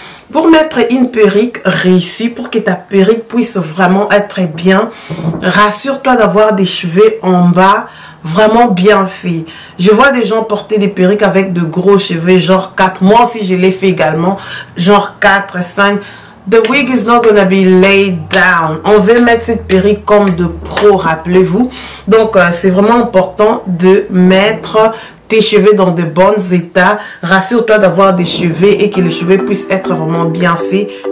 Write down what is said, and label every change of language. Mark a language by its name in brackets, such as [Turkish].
[French] Pour mettre une perruque réussie, pour que ta perruque puisse vraiment être bien, rassure-toi d'avoir des cheveux en bas vraiment bien faits. Je vois des gens porter des perruques avec de gros cheveux, genre 4. Moi aussi, je l'ai fait également, genre 4, 5. [English] The wig is not gonna be laid down. [French] On veut mettre cette perruque comme de pro, rappelez-vous. Donc, c'est vraiment important de mettre... tes cheveux dans de bons états. Rassure-toi d'avoir des cheveux et que les cheveux puissent être vraiment bien faits.